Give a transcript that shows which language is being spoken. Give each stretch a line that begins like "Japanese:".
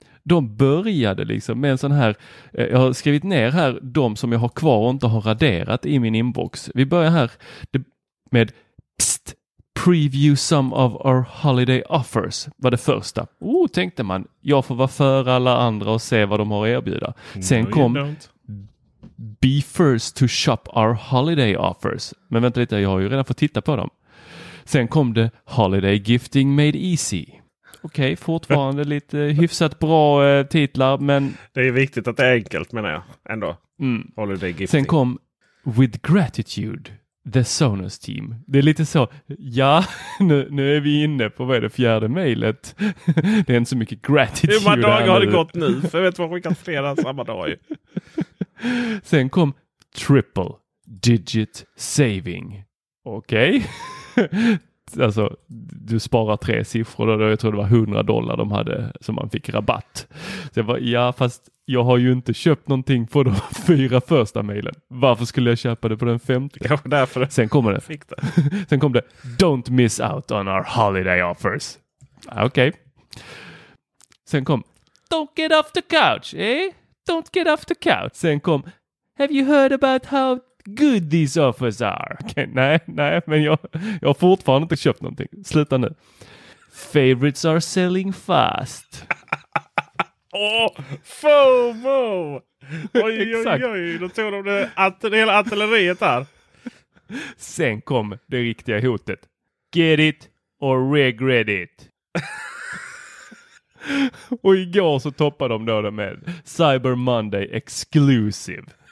Swedish: De började liksom med en sån här, jag har skrivit ner här de som jag har kvar och inte har raderat i min inbox. Vi börjar här med psst,
English: preview some of our holiday offers
Swedish: var det första. Oh, tänkte man, jag får vara för alla andra och se vad de har att erbjuda. Sen
English: no, kom be first to shop our holiday offers.
Swedish: Men vänta lite, jag har ju redan fått titta på dem. Sen kom det
English: holiday gifting made easy.
Swedish: Okej, fortfarande lite hyfsat bra titlar, men... Det är viktigt att det är enkelt, menar jag, ändå.
English: Mm. Holiday gifting.
Swedish: Sen kom
English: With Gratitude, The Sonos Team.
Swedish: Det är lite så, ja, nu är vi inne på, vad är det, fjärde mejlet? Det är inte så mycket gratitude. Hur många dagar har det gått nu? För jag vet vad vi kan spela samma dag ju. Sen kom
English: Triple Digit Saving. Okej. Okay.
Swedish: Alltså, du sparar tre siffror då, jag tror det var $100 de hade som man fick rabatt. Så jag bara, ja, fast jag har ju inte köpt någonting på de fyra första mejlen. Varför skulle jag köpa det på den femte? Kanske därför. Sen kommer det. Fick det. Sen kommer det.
English: Don't miss out on our holiday offers.
Swedish: Okej.
English: Okay.
Swedish: Sen kom.
English: Don't get off the couch, eh? Don't get off the couch.
Swedish: Sen kom.
English: Have you heard about how good these offers are. Okay,
Swedish: nej, men jag har fortfarande inte köpt någonting. Sluta nu.
English: Favorites are selling fast.
Swedish: Åh, FOMO! Oj, då tog de hela artilleriet här. Sen kom det riktiga hotet.
English: Get it or regret it.
Swedish: Och igår så toppade de då med Cyber Monday Exclusive.